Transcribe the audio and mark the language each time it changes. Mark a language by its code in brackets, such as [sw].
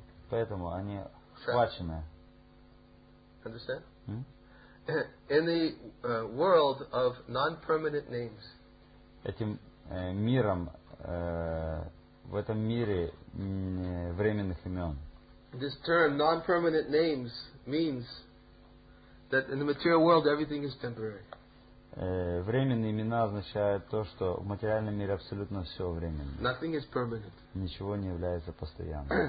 [ru] Поэтому они схвачены. [en] Understand? In the world of non-permanent names. [ru] Этим миром, в этом мире временных имен. [en] This term non-permanent names means that in the material world everything is temporary. [ru] Временные имена означают то, что в материальном мире абсолютно все временно. [en] Nothing is permanent. [ru] Ничего не является постоянным.